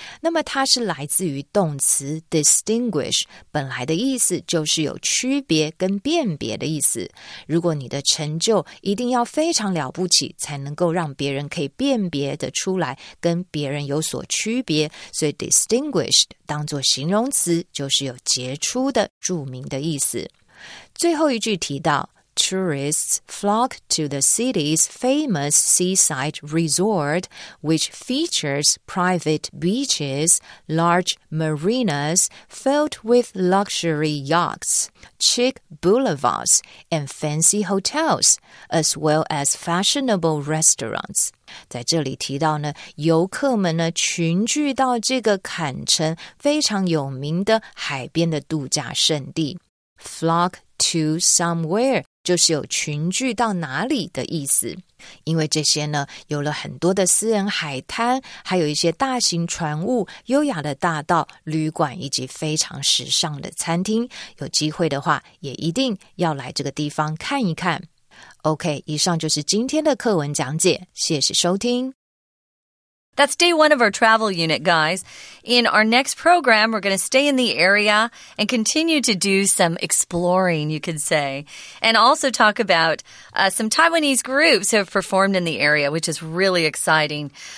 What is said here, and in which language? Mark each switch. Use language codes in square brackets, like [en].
[zh] 那么它是来自于动词 distinguish, 本来的意思就是有区别跟辨别的意思。如果你的成就一定要非常了不起，才能够让别人可以辨别的出来跟别人有所区别，所以 distinguished 当作形容词就是有杰出的、著名的意思。最后一句提到 [en] Tourists flock to the city's famous seaside resort, which features private beaches, large marinas filled with luxury yachts, chic boulevards, and fancy hotels, as well as fashionable restaurants. [zh] 在这里提到呢，游客们呢群聚到这个坎城非常有名的海边的度假胜地。 [en] Flock to somewhere. [zh] 就是有群聚到哪里的意思，因为这些呢有了很多的私人海滩，还有一些大型船坞、优雅的大道、旅馆以及非常时尚的餐厅，有机会的话也一定要来这个地方看一看。 OK, 以上就是今天的课文讲解，谢谢收听。 [en] That's day one of our travel unit, guys. In our next program, we're going to stay in the area and continue to do some exploring, you could say, and also talk about some Taiwanese groups who have performed in the area, which is really exciting.